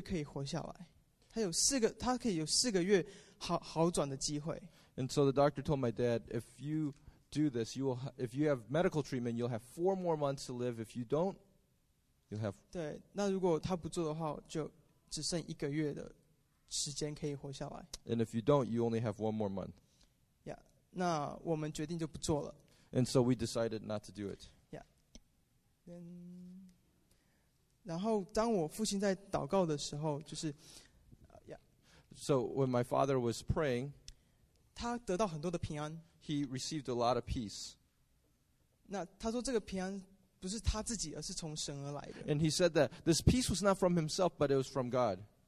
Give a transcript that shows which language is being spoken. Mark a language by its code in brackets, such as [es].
[zh] 可以活下来，他可以有四个月好转的机会。 [en] And so the doctor told my dad, if you do this, if you have medical treatment, you'll have 4 more months to live. If you don't, you'll have. [zh] 对，那如果他不做的话，就只剩一个月的。时间可以活下来。 [en] And if you don't, you only have 1 more month. Yeah, [zh] 那我们决定就不做了。 [en] And so we decided not to do it. Yeah. Then, [zh] 然后当我父亲在祷告的时候，就是 ， [en] Yeah. So when my father was praying, [zh] 他得到很多的平安。 [en] He received a lot of peace. [zh] 那他说这个平安不是他自己，而是从神而来的。 [en] And he said that this peace was not from himself, but it was from God.